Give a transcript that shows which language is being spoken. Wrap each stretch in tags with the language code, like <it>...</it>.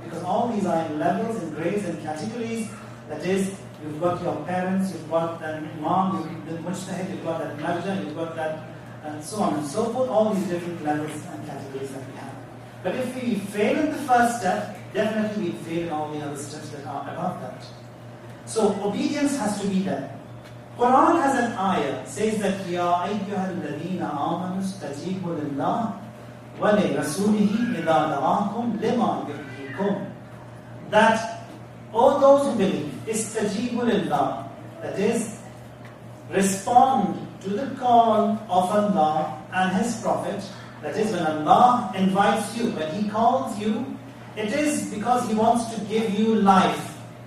<en>Because all these are in levels and grades and categories. That is, you've got your parents, you've got that Imam, you've got the Mujtahid, you've got that Marja, you've got that, and so on and so forth. All these different levels and categories that we have. But if we fail in the first step, definitely we fail in all the other steps that are above that. So obedience has to be there. Quran has an ayah, says that</en> <ar>يَا أَيُّهَا الَّذِينَ آمَنُوا اسْتَجِيبُوا لِلَّهِ وَلِرَسُولِهِ إِذَا دَعَاكُمْ لِمَا يُحْيِيكُمْ.</ar> <en>That all those who believe,</en> <ar>اسْتَجِيبُوا لِلَّهِ,</ar> <en>that is, respond to the call of Allah and His Prophet. That is, when Allah invites you, when He calls you, it is because He wants to give you life.</en>